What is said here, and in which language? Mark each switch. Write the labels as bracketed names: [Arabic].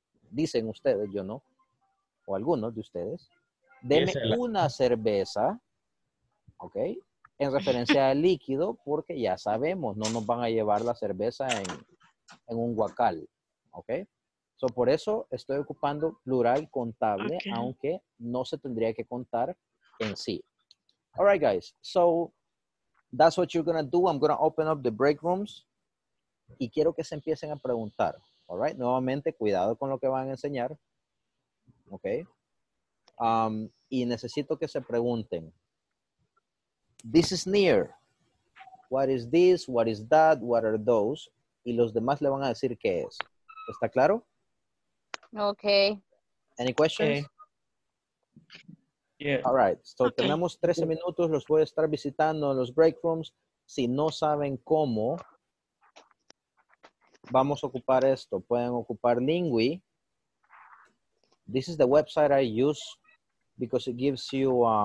[Spanish] Dicen ustedes, yo no, o algunos de ustedes, deme una cerveza, ¿ok? En referencia al líquido, porque ya sabemos, no nos van a llevar la cerveza en un guacal, ¿ok? So, por eso estoy ocupando plural contable, aunque no se tendría que contar en sí. [English] All right, guys. So, that's what you're going to do. I'm going to open up the break rooms. [Spanish] Y quiero que se empiecen a preguntar. [English] All right? [Spanish] Nuevamente, cuidado con lo que van a enseñar. [English] ¿Ok? [Spanish] Y necesito que se pregunten. [English] This is near. What is this? What is that? What are those? [Spanish] Y los demás le van a decir qué es. ¿Está claro? [English] Okay. Any questions? Okay. Yeah. All right. So [Spanish] tenemos 13 minutos. Los voy a estar visitando en los break rooms. Si no saben cómo, vamos a ocupar esto. Pueden ocupar Lingui. [English] This is the website I use because it gives you...